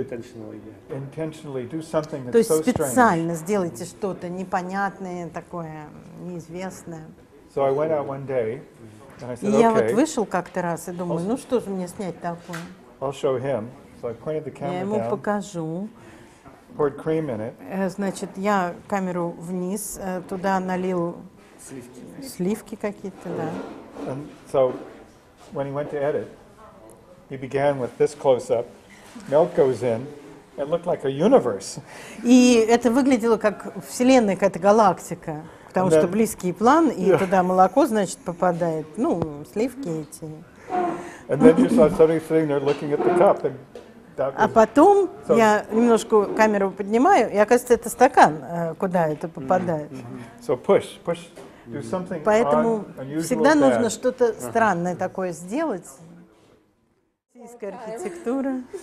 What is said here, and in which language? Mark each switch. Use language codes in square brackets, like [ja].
[ru] То есть специально сделайте что-то непонятное такое, неизвестное. [en] So I went out one day, and I said, [ru] okay. И я вот вышел как-то раз и думаю, ну что же мне снять такое? [en] I'll show him. So I pointed the camera down. [ru] Я ему покажу. [en] Poured cream in it. [ru] Значит, я камеру вниз, туда налил сливки какие-то, да. [en] And so when he went to edit, he began with this close-up. Milk goes in. It looked like a universe. [ru] И это выглядело как вселенная, какая-то галактика. Потому что близкий план, и туда молоко, значит, попадает. Ну, сливки эти. [en] And then you saw somebody sitting there looking at the cup, and that was. [ru] А потом я немножко камеру поднимаю, и оказывается это стакан, куда это попадает. [en] So push, do something. [ru] Поэтому всегда нужно что-то странное такое сделать. Российская архитектура.